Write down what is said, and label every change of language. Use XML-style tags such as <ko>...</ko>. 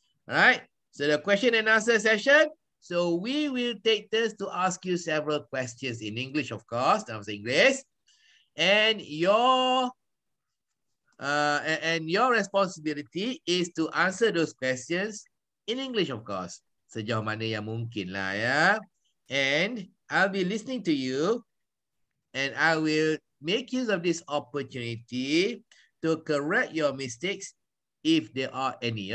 <en>Alright? So the question and answer session. So we will take turns to ask you several questions in English, of course. That was English. And your responsibility is to answer those questions in English, of course.</en> <ms>Sejauh mana yang mungkin lah, ya.</ms> <en>And I'll be listening to you and I will make use of this opportunity to correct your mistakes if there are any.</en>